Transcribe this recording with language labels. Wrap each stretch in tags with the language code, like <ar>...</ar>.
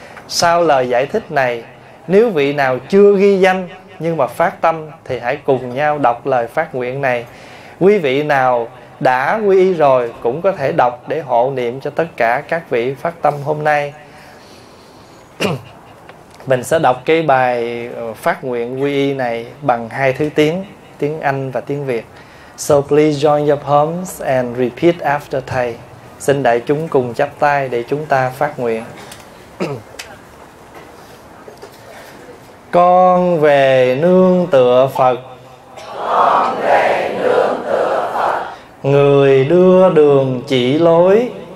<vi>Sau lời giải thích này, nếu vị nào chưa ghi danh nhưng mà phát tâm thì hãy cùng nhau đọc lời phát nguyện này. Quý vị nào đã quy y rồi cũng có thể đọc để hộ niệm cho tất cả các vị phát tâm hôm nay. Mình sẽ đọc cái bài phát nguyện quy y này bằng hai thứ tiếng, tiếng Anh và tiếng Việt.</vi> <en>So please join your palms and repeat after thầy.</en> <vi>Xin đại chúng cùng chắp tay để chúng ta phát nguyện. Con về nương tựa Phật. Con về nương tựa Phật. Người đưa đường chỉ lối.</vi>